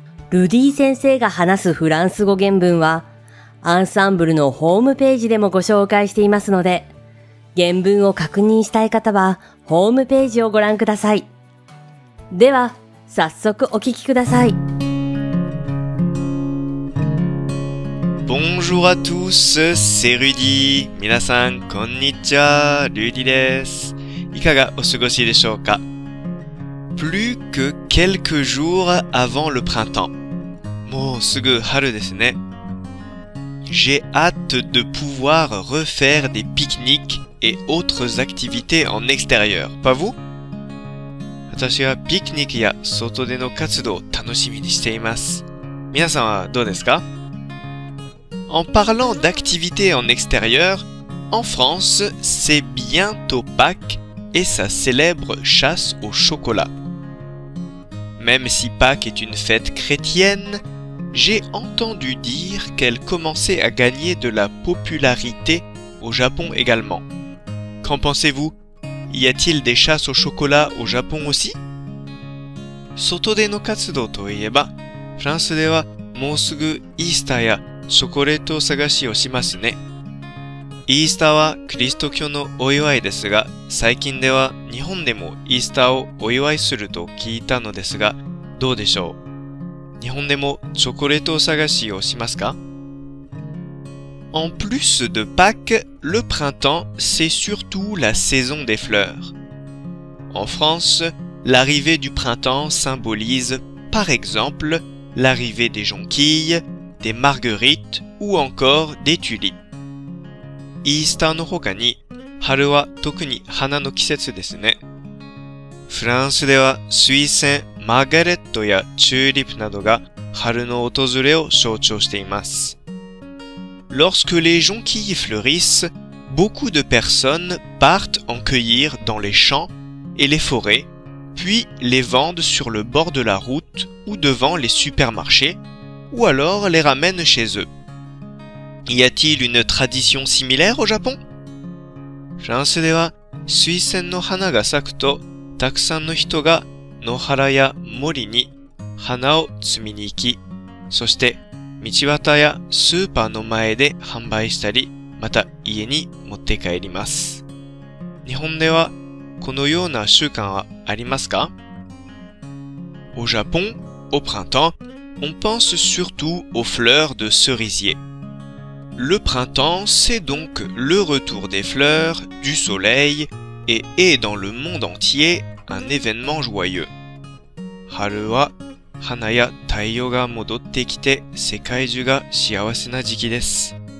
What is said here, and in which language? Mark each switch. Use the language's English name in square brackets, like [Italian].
[Japanese] ルディ先生が話すフランス語原文はアンサンブルのホームページでもご紹介していますので、原文を確認したい方はホームページをご覧ください。では早速お聞きください。 [French] Bonjour à tous, c'est Rudy. [Japanese] 皆さんこんにちは、ルディです。いかがお過ごしでしょうか。 [French] Plus que quelques jours avant le printemps. [Japanese] もうすぐ春ですね。 [French] J'ai hâte de pouvoir refaire des pique-niques et autres activités en extérieur. Pas vous? [Japanese] 私はピクニックや外での活動を楽しみにしています。皆さんはどうですか? [French] En parlant d'activités en extérieur, en France, c'est bientôt Pâques et sa célèbre chasse au chocolat. Même si Pâques est une fête chrétienne, j'ai entendu dire qu'elle commençait à gagner de la popularité au Japon également. Qu'en pensez-vous? Y a-t-il des chasses au chocolat au Japon aussi? [Japanese] 外での活動といえば、フランスではもうすぐイースターやチョコレート探しをしますね。イースターはキリスト教のお祝いですが、最近では日本でもイースターをお祝いすると聞いたのですが、どうでしょう。日本でもチョコレート探しをしますか？ [French] En plus de Pâques, le printemps, c'est surtout la saison des fleurs. En France, l'arrivée du printemps symbolise, par exemple, l'arrivée des jonquilles, des marguerites ou encore des tulipes. [Japanese] イースターの他に、春は特に花の季節ですね。フランスでは、水仙、マーガレットやチューリップなどが春の訪れを象徴しています。 [French] Lorsque les jonquilles fleurissent, beaucoup de personnes partent en cueillir dans les champs et les forêts, puis les vendent sur le bord de la route ou devant les supermarchés, ou alors les ramènent chez eux. Y a-t-il une tradition similaire au Japon? [Japanese] フランスでは、水仙の花が咲くと、たくさんの人が野原や森に花を摘みに行き、そして道端やスーパーの前で販売したり、また家に持って帰ります。日本ではこのような習慣はありますか? [French] Au Japon, au printemps, on pense surtout aux fleurs de cerisier. Le printemps, c'est donc le retour des fleurs, du soleil, et est dans le monde entier un événement joyeux. [Japanese] 春は花や太陽が戻ってきて世界中が幸せな時期です。